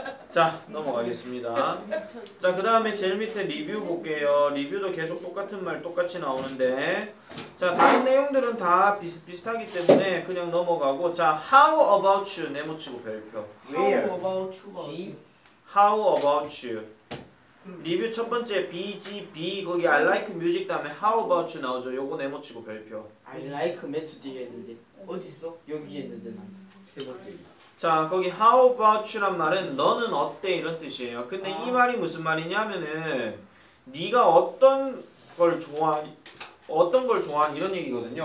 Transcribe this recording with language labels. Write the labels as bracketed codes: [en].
[ko] 자, 넘어가겠습니다. 자, 그 다음에 제일 밑에 리뷰 볼게요. 리뷰도 계속 똑같은 말 똑같이 나오는데 자, 다른 내용들은 다 비슷비슷하기 때문에 그냥 넘어가고 자, [en] How about you? [ko] 네모치고 별표. [en] Where? How about you? How about you? [ko] 리뷰 첫 번째 BGB 거기 [en] I like music [ko] 다음에 [en] How about you [ko] 나오죠. 요거 네모 치고 별표. I like 매트 뒤에 있는데 어디 있어? 여기 있는데 난 세 번째. 자, 거기 [en] How about you [ko] 란 말은 너는 어때 이런 뜻이에요. 근데 이 말이 무슨 말이냐면은 네가 어떤 걸 좋아 어떤 걸 좋아한 이런 얘기거든요.